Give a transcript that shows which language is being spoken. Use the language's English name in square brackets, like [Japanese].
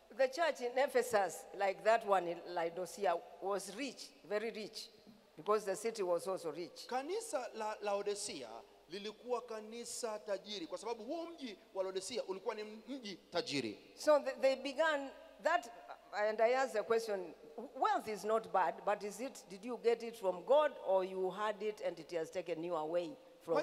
[English] The church in Ephesus, like that one in Laodicea, was rich, very rich, because the city was also rich. [Swahili] Kanisa la Laodicea lilikuwa kanisa tajiri, kwa sababu huo mji wa Laodicea ulikuwa ni mji tajiri. [English] So they began that, and I asked the question, wealth is not bad, but is it, did you get it from God or you had it and it has taken you away from